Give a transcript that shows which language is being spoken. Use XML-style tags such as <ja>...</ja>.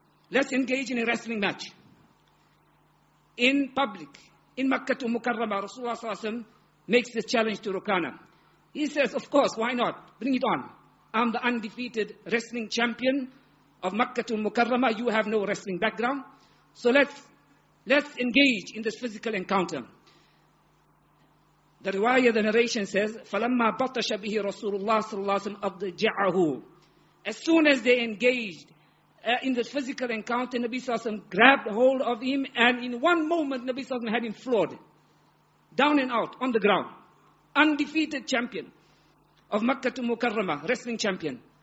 <en>Let's engage in a wrestling match. In public, in Makkah to Mukarramah, Rasulullah sallallahu alayhi wa sallam makes the challenge to Rukana. He says, of course, why not? Bring it on. I'm the undefeated wrestling champion of Makkah al-Mukarramah. You have no wrestling background. So let's engage in this physical encounter. The riwayah, the narration says,</en> <ar>فَلَمَّا بَطَشَ بِهِ رَسُولُ اللَّهِ صَلَّى اللَّهُ عَلَيْهِ وَسَلَّمَ أَضْجَعَهُ.</ar> <en>As soon as they engaged in this physical encounter, Nabi Sallallahu Alaihi Wasallam grabbed hold of him, and in one moment, Nabi Sallallahu Alaihi Wasallam had him floored. Down and out, on the ground. Undefeated champion of Makkah to Mukarramah, wrestling champion.</en>